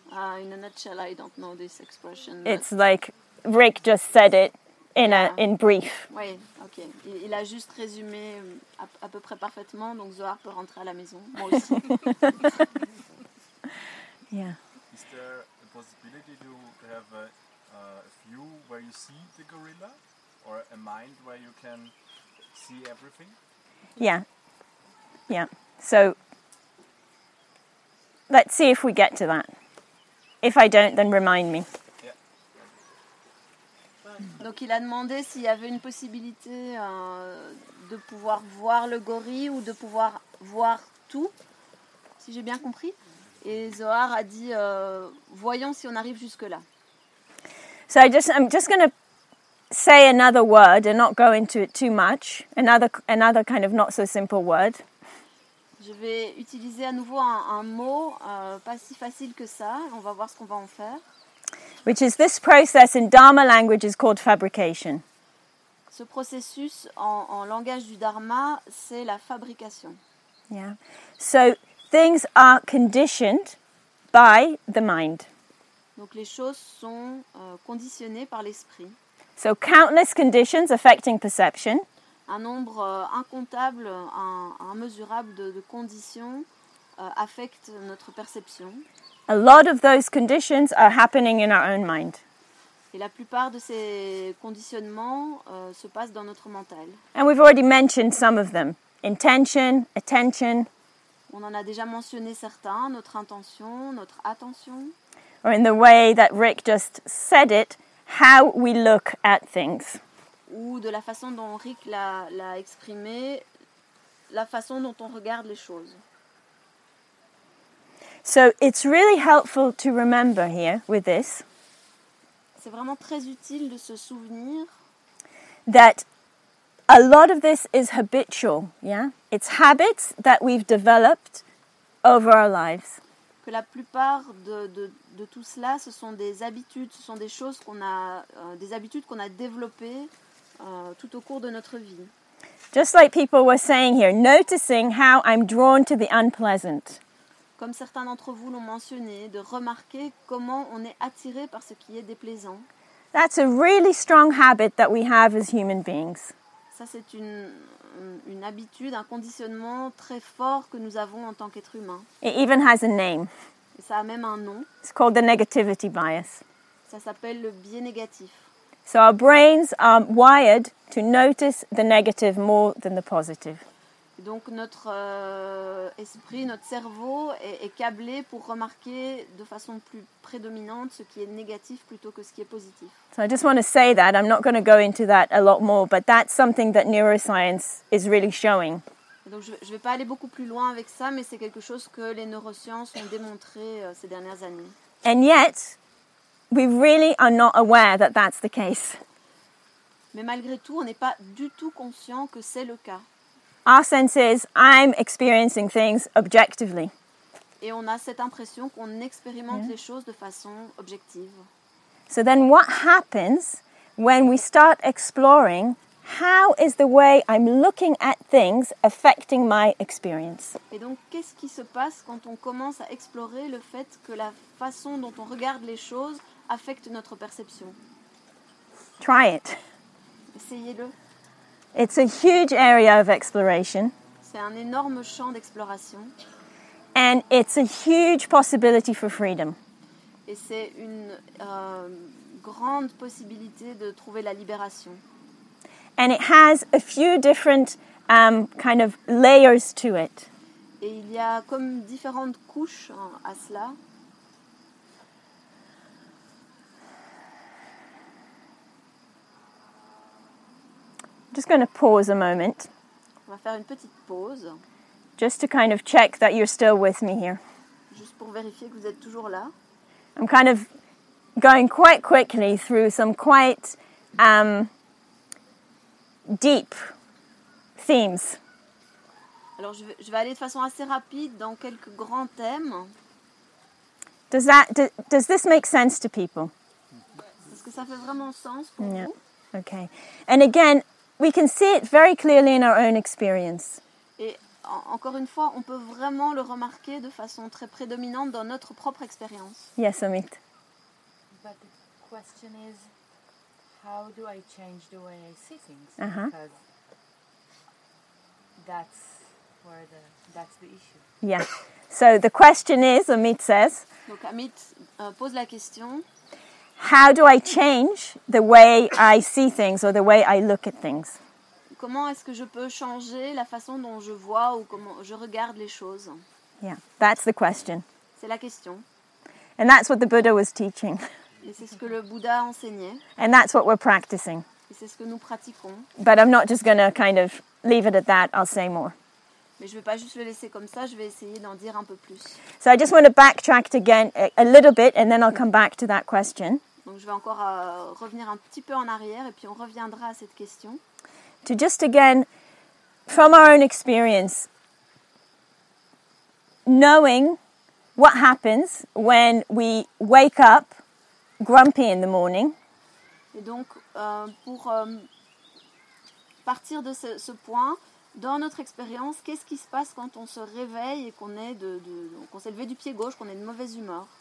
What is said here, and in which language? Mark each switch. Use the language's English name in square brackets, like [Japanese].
[English] In a nutshell, I don't know this expression. It's like Rick just said it. In brief. [French] Oui, ok. Il a juste résumé à peu près parfaitement, donc Zohar peut rentrer à la maison, moi aussi. [English] Yeah. Is there a possibility to have a view where you see the gorilla, or a mind where you can see everything? Yeah. Yeah. So, let's see if we get to that. If I don't, then remind me. [French] Donc il a demandé s'il y avait une possibilité de pouvoir voir le gorille ou de pouvoir voir tout, si j'ai bien compris. Et Zohar a dit voyons si on arrive jusque là. [English] So I'm just going to say another word and not go into it too much. Another kind of not so simple word. [French] Je vais utiliser à nouveau un mot pas si facile que ça. On va voir ce qu'on va en faire. [English] Which is this process in Dharma language is called fabrication. [French] Ce processus en langage du Dharma, c'est la fabrication. [English] Yeah. So things are conditioned by the mind. [French] Donc les choses sont conditionnées par l'esprit. [English] So countless conditions affecting perception. [French] Un nombre incontable, immesurable de conditions affectent notre perception. [English] A lot of those conditions are happening in our own mind. [French] Et la plupart de ces conditionnements se passent dans notre mental. [English] And we've already mentioned some of them. Intention, attention. [French] On en a déjà mentionné certains, notre intention, notre attention. [English] Or in the way that Rick just said it, how we look at things. [French] Ou de la façon dont Rick l'a exprimé, la façon dont on regarde les choses. [English] So it's really helpful to remember here with this. [French] C'est vraiment très utile de se souvenir [English] that a lot of this is habitual, yeah? It's habits that we've developed over our lives. [French] Que la plupart de tout cela, ce sont des habitudes, ce sont des choses qu'on a des habitudes qu'on a développées tout au cours de notre vie. [English] Just like people were saying here, noticing how I'm drawn to the unpleasant. [French] Comme certains d'entre vous l'ont mentionné, de remarquer comment on est attiré par ce qui est déplaisant. [English] That's a really strong habit that we have as human beings. [French] Ça, c'est une habitude, un conditionnement très fort que nous avons en tant qu'être humain. [English] It even has a name. [French] Et ça a même un nom. [English] It's called the negativity bias. [French] Ça s'appelle le biais négatif. [English] So our brains are wired to notice the negative more than the positive. [French] Donc notre esprit, notre cerveau est câblé pour remarquer de façon plus prédominante ce qui est négatif plutôt que ce qui est positif. [English] So I just want to say that, I'm not going to go into that a lot more, but that's something that neuroscience is really showing. [French] Donc je vais pas aller beaucoup plus loin avec ça, mais c'est quelque chose que les neurosciences ont démontré ces dernières années. [English] And yet, we really are not aware that that's the case. [French] Mais malgré tout, on n'est pas du tout conscient que c'est le cas. [English] Our sense is I'm experiencing things objectively. [French] Et on a cette impression qu'on expérimente les choses de façon objective. [English] So then what happens when we start exploring how is the way I'm looking at things affecting my experience? [French] Et donc qu'est-ce qui se passe quand on commence à explorer le fait que la façon dont on regarde les choses affecte notre perception? [English] Try it. [French] Essayez-le. [English] It's a huge area of exploration. [French] C'est un énorme champ d'exploration. [English] And it's a huge possibility for freedom. [French] Et c'est une grande possibilité de trouver la libération. [English] And it has a few different kind of layers to it. [French] Et il y a comme différentes couches à cela. [English] Just going to pause a moment. [French] On va faire une petite pause. [English] Just to kind of check that you're still with me here. [French] Juste pour vérifier que vous êtes toujours là. [English] I'm kind of going quite quickly through some quite deep themes. [French] Alors je vais aller de façon assez rapide dans quelques grands thèmes. [English] Does this make sense to people? [French] Est-ce que ça fait vraiment sens pour vous? [English] Yeah. Okay. And again, we can see it very clearly in our own experience. [French] Et encore une fois, on peut vraiment le remarquer de façon très prédominante dans notre propre expérience. [English] Yes, Amit. But the question is, how do I change the way I see things? Uh-huh. Because that's the issue. Yeah. So the question is, Amit says. [French] Donc Amit pose la question. [English] How do I change the way I see things or the way I look at things? [French] Comment est-ce que je peux changer la façon dont je vois ou comment je regarde les choses? [English] Yeah, that's the question. [French] C'est la question. [English] And that's what the Buddha was teaching. [French] Et c'est ce que le Bouddha enseignait. [English] And that's what we're practicing. [French] Et c'est ce que nous pratiquons. [English] But I'm not just going to kind of leave it at that, I'll say more. [French] Mais je ne vais pas juste le laisser comme ça, je vais essayer d'en dire un peu plus. [English] So I just want to backtrack again a little bit and then I'll come back to that question. [French] Donc je vais encore revenir un petit peu en arrière et puis on reviendra à cette question. [English] To just again, from our own experience, knowing what happens when we wake up grumpy in the morning. [French] Et donc pour partir de ce point, dans notre expérience, qu'est-ce qui se passe quand on se réveille et qu'on est qu'on s'est levé du pied gauche, qu'on est de mauvaise humeur?